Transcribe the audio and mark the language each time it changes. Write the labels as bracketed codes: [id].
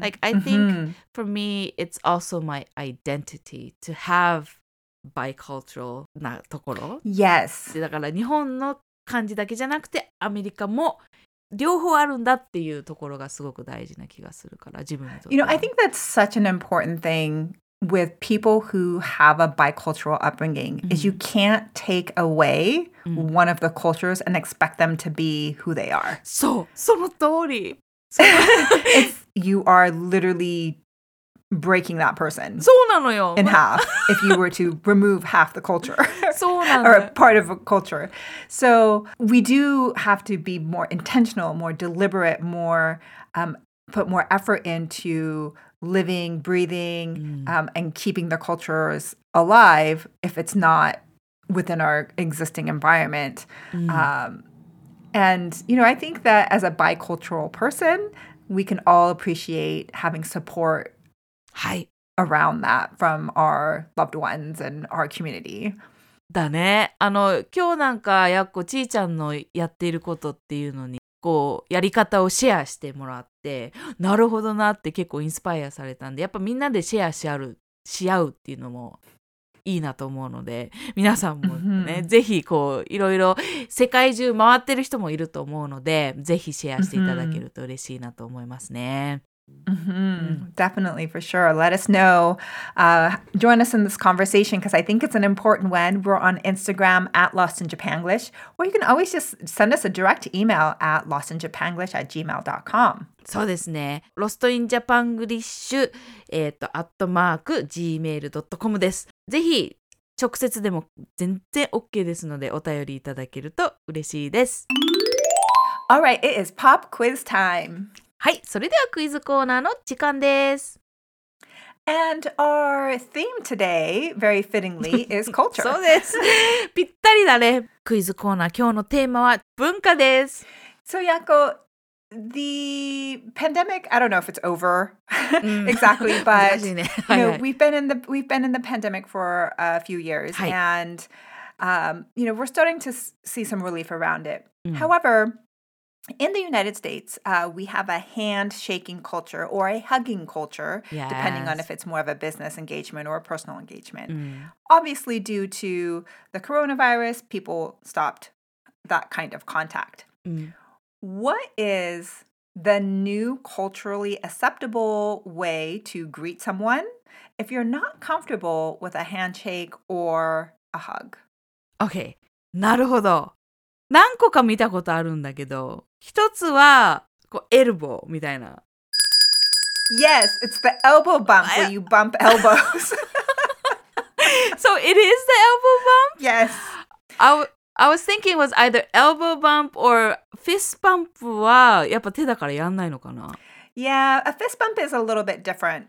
[en] Like I think for me, it's also my identity to have bicultural [ja] なところ。 [en] Yes。 [ja] だから日本の感じだけじゃなくて、アメリカも両方あるんだっていうところがすごく大事な気がするから、自分にとって。 [en] You know, I think that's such an important thing. With people who have a bicultural upbringing, mm-hmm. is you can't take away mm-hmm. one of the cultures and expect them to be who they are. [ja] So, その通り。 [en] If you are literally breaking that person [ja] そうなのよ。 [en] in half, if you were to remove half the culture [ja] そうなの。 [en] or part of a culture. So, we do have to be more intentional, more deliberate, more, put more effort into. Living, breathing, and keeping the cultures alive if it's not within our existing environment. And, you know, I think that as a bicultural person, we can all appreciate having support around that from our loved ones and our community. [ja] だね。あの、今日なんかやっこちーちゃんのやっていることっていうのに、こうやり方をシェアしてもらって、なるほどなって結構インスパイアされたんで、やっぱみんなでシェアし合う、し合うっていうのもいいなと思うので、皆さんもね、ぜひこういろいろ世界中回ってる人もいると思うので、ぜひシェアしていただけると嬉しいなと思いますね。 [en] Definitely, for sure. Let us know. Join us in this conversation because I think it's an important one. We're on Instagram at Lost in Japanglish, or you can always just send us a direct email at lostinjapanglish@gmail.com. [ja] そうですね。Lost in Japanglish @gmail.com です。ぜひ直接でも全然 OK ですので、お便りいただけると嬉しいです。 [en] All right, it is pop quiz time. [ja] はい、それではクイズコーナーの時間です。 [en] And our theme today, very fittingly, is culture. [ja] そうです。ぴったりだね。クイズコーナー、今日のテーマは文化です。 [en] So, Yako, the pandemic, I don't know if it's over exactly, but you know, we've been in the pandemic for a few years. [ja] はい、 [en] and, you know, we're starting to see some relief around it. However,In the United States, we have a hand-shaking culture or a hugging culture, yes. depending on if it's more of a business engagement or a personal engagement. Mm. Obviously, due to the coronavirus, people stopped that kind of contact. Mm. What is the new culturally acceptable way to greet someone if you're not comfortable with a handshake or a hug? [ja] Okay, なるほど。何個か見たことあるんだけど、一つはこうエルボーみたいな。 [en] Yes, it's the elbow bump where you bump elbows. So it is the elbow bump? Yes. I was thinking it was either elbow bump or fist bump [ja] はやっぱ手だからやんないのかな。 [en] Yeah, a fist bump is a little bit different.